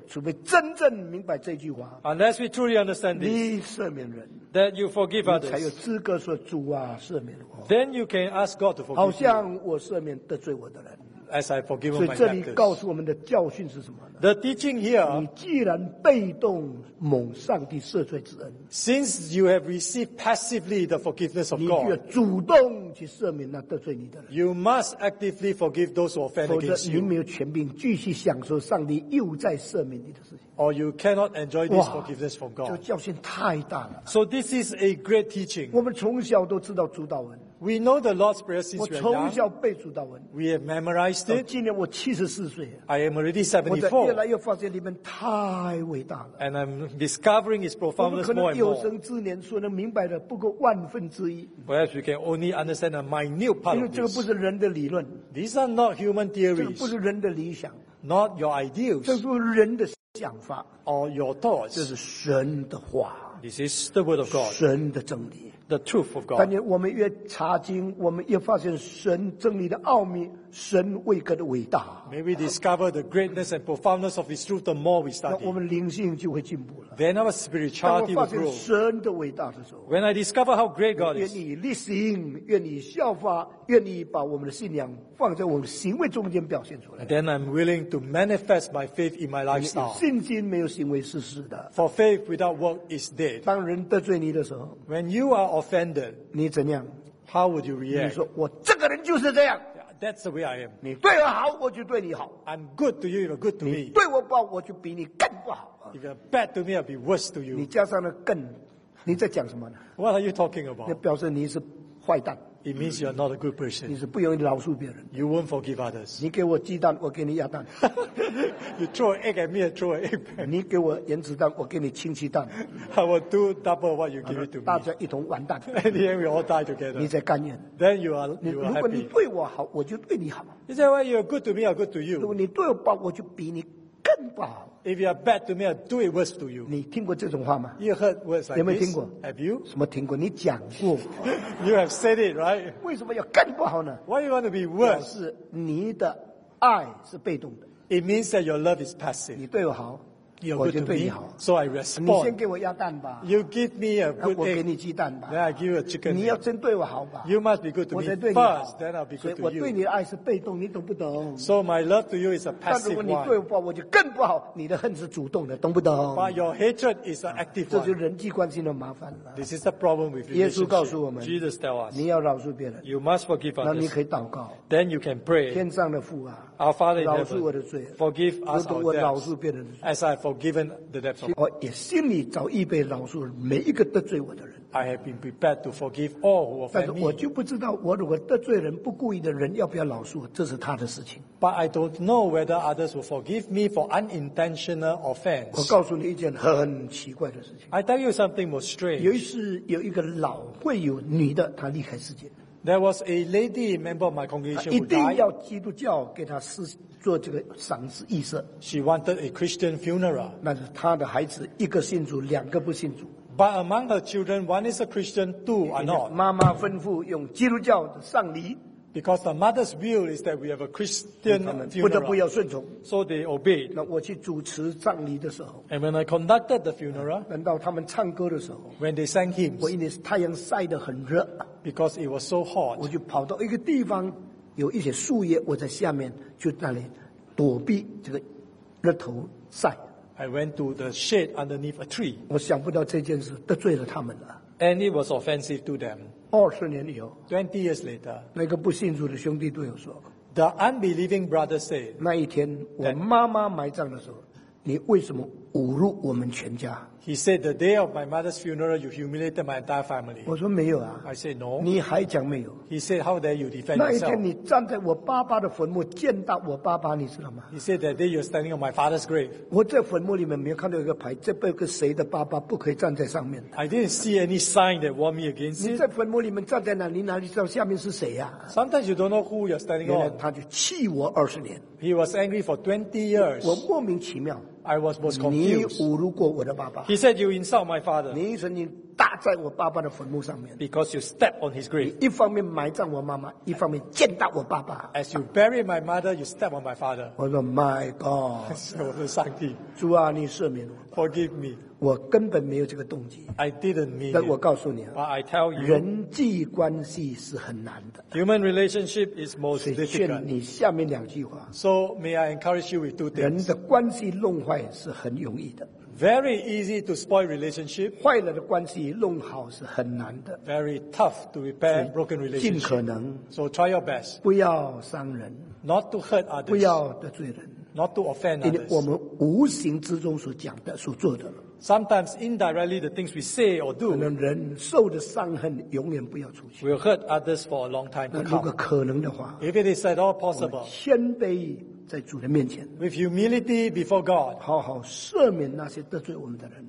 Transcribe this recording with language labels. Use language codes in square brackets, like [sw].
[zh] 除非真正明白这句话。 [en] Unless we truly understand this。 [zh] 你赦免人。 [en] That you forgive others. [zh] 你才有资格说主啊赦免我。 [en] Then you can ask God to forgive. [zh] 好像我赦免得罪我的人。 [en] as I forgive my debtors. [zh] 所以这里告诉我们的教训是什么呢？ [en] The teaching here. [zh] 你既然被动蒙上帝赦罪之恩， [en] Since you have received passively the forgiveness of God. [zh] 你要主动去赦免那得罪你的人。 [en] You must actively forgive those who offend against you. [zh] 否则你没有权柄继续享受上帝又再赦免你的事情。 [en] Or you cannot enjoy this forgiveness from God. [zh] 这个教训太大了。 [en] So this is a great teaching. [zh] 我们从小都知道主导文。 [en] We know the Lord's Prayer since we were young. [zh] 背主导文。 [en] We have memorized it. [zh] 今年我74岁。 [en] I am already 74. [zh] 我越来越发现里面太伟大了。 [en] And I'm discovering its profoundness more and more. [zh] 我们可能有生之年说能明白的不过万分之一。 [en] Perhaps we can only understand a minute part of this. [zh] 因为这个不是人的理论。 [en] These are not human theories. [zh] 这个不是人的理想。 [en] Not your ideals. [zh] 这是人的想法。 [en] Or your thoughts. [zh] 这是神的话。 [en] This is the word of God. [zh] 神的真理。 [en] The truth of God. [zh] 但是我们越查经，我们越发现神真理的奥秘，神位格的伟大。 [en] May we discover the greatness and profoundness of His truth the more we study. [zh] 我们灵性就会进步了。 [en] Then our spirituality will grow. [zh] 当我发现神的伟大的时候 [en] ，When I discover how great God is. [zh] 愿你立心，愿你效法，愿你把我们的信仰放在我们行为中间表现出来。 [en] Then I'm willing to manifest my faith in my lifestyle. [zh] 信心没有行为是死的。 [en] For faith without work is dead. [zh] 当人得罪你的时候 [en] ，When you are offended, [zh] 你怎样 [en] ？How would you react? [zh] 你说我这个人就是这样。 [en] That's the way I am. [zh] 你对我好，我就对你好。 [en] I'm good to you, you're good to me. [zh] 你对我不好，我就比你更不好。 [en] If you're bad to me, I'll be worse to you. [zh] 你加上了更，你在讲什么呢 [en] ？What are you talking about? [zh] 那表示你是坏蛋。 [en] It means you're not a good person. [zh] 你是不容易饶恕别人。 [en] You won't forgive others. [zh] 你给我鸡蛋，我给你鸭蛋。 [en] You throw an egg at me, I throw an egg back. [zh] 你给我原子弹，我给你氢气弹。 [en] I will do double what you give it to me. [zh] 大家一同完蛋。 [en] In the end, we all die together. [zh] 你在甘愿。 [en] Then you are happy. [zh] 如果你对我好，我就对你好。 [en] You say, well, you're good to me, I'm good to you. [zh] 如果你对我不好，我就比你更不好。 [en] If you are bad to me, I'll do it worse to you. [zh] 你听过这种话吗？ [en] You heard words like this. [zh] 有没有听过？ [en] Have you? [zh] 什么听过？你讲过。 [en] You have said it, right? [zh] 为什么要更不好呢？ [en] Why you want to be worse? [zh] 表示你的爱是被动的。 [en] It means that your love is passive. [zh] 你对我好， [en] You're good to me, [zh] 我就对你好。 [en] So I respond. [zh] 你先给我鸭蛋吧。 [en] You give me a good egg. [zh] 我给你鸡蛋吧。 [en] Then I give you a chicken. [zh] 你要真对我好吧。 [en] You must be good to me first, then I'll be good to you. [zh] 所以我对你的爱是被动，你懂不懂？ [en] So my love to you is a passive one. [zh] 但如果你对我不好，我就更不好。你的恨是主动的，懂不懂？ [en] But your hatred is an active one. [zh] 这就是人际关系的麻烦了。 [en] This is the problem with relationship. [zh] 耶稣告诉我们， [en] Jesus tell us, [zh] 你要饶恕别人。 [en] You must forgive others. [zh] 那你可以祷告。 [en] Then you can pray. [zh] 天上的父啊。 [en] Our Father in heaven, [zh] 饶恕我的罪， [en] forgive us our debts, [zh] 我饶恕别人的罪， [en] as I have forgiven the debts of God. [zh] 我也心里早已被饶恕每一个得罪我的人。 [en] I have been prepared to forgive all who offend me. [zh] 但是我就不知道我如果得罪人不故意的人要不要饶恕，这是他的事情。 [en] But I don't know whether others will forgive me for unintentional offense. [zh] 我告诉你一件很奇怪的事情。 [en] I tell you something more strange. [zh] 有一次有一个老会友女的，她离开世界。 [en] There was a lady member of my congregation who died. [zh] 一定要基督教给她做这个丧事仪式。 [en] She wanted a Christian funeral. [zh] 那是她的孩子，一个信主，两个不信主。 [en] But among her children, one is a Christian, two are not. [zh] 妈妈吩咐用基督教的丧礼。 [en] Because the mother's will is that we have a Christian funeral. [zh] 不得不要顺从。 [en] So they obeyed. [zh] 那我去主持葬礼的时候。 [en] And when I conducted the funeral. [zh] 轮到他们唱歌的时候。 [en] When they sang hymns. [zh] 我因为太阳晒得很热。 [en] Because it was so hot. [zh] 我就跑到一个地方，有一些树叶，我在下面就那里躲避这个热头晒。 [en] I went to the shade underneath a tree. [zh] 我想不到这件事得罪了他们了。 [en] And it was offensive to them. [zh] 20年以后 [en] ，20 years later， [zh] 那个不信主的兄弟对我说 [en] ，The unbelieving brother said， [zh] 那一天我妈妈埋葬的时候，你为什么侮辱我们全家 [en] ？He said the day of my mother's funeral you humiliated my entire family。 [zh] 我说没有啊 [en] ，I said no。 [zh] 你还讲没有 [en] ？He said how dare you defend yourself？ [zh] 那一天你站在我爸爸的坟墓见到我爸爸，你知道吗 [en] ？He said that day you're standing on my father's grave。 [zh] 我在坟墓里面没有看到一个牌，这辈子谁的爸爸不可以站在上面 [en] ？I didn't see any sign that warned me against it。 [zh] 你在坟墓里面站在哪里？哪里知道下面是谁呀 [en] ？Sometimes you don't know who you're standing on。 [zh] 原来他就气我二十年。 [en] He was angry for 20 years。 [zh] 我莫名其妙。 [en] I was most confused. [zh] 你侮辱过我的爸爸。 [en] He said you insult my father. [zh] 你曾经打在我爸爸的坟墓上面。 [en] Because you step on his grave. [zh] 你一方面埋葬我妈妈，一方面践踏我爸爸。 [en] As you bury my mother, you step on my father. [zh] 我说 [en] My God. [zh] 我说上帝。主啊，你赦免我。 [en] Forgive me. [zh] 我根本没有这个动机。 [en] I didn't mean. [zh] 但我告诉你啊 [en] ，But I tell you， [zh] 人际关系是很难的。 [en] Human relationship is most difficult. [zh] 劝你下面两句话。 [en] So may I encourage you with two things. [zh] 人的关系弄坏是很容易的。 [en] Very easy to spoil relationship. [zh] 坏了的关系弄好是很难的。 [en] Very tough to repair broken relationship. [zh] 尽可能。 [en] So try your best. [zh] 不要伤人。 [en] Not to hurt others. [zh] 不要得罪人。 [en] Not to offend others. [zh] 因为我们无形之中所讲的、所做的。 [en] Sometimes indirectly the things we say or do. [zh] 可能人受的伤痕永远不要出去。 [en] Will hurt others for a long time to come. [zh] 如果可能的话。 [en] If it is at all possible. [zh] 谦卑。在主的面前 [en] with humility before God， [zh] 好好赦免那些得罪我们的人。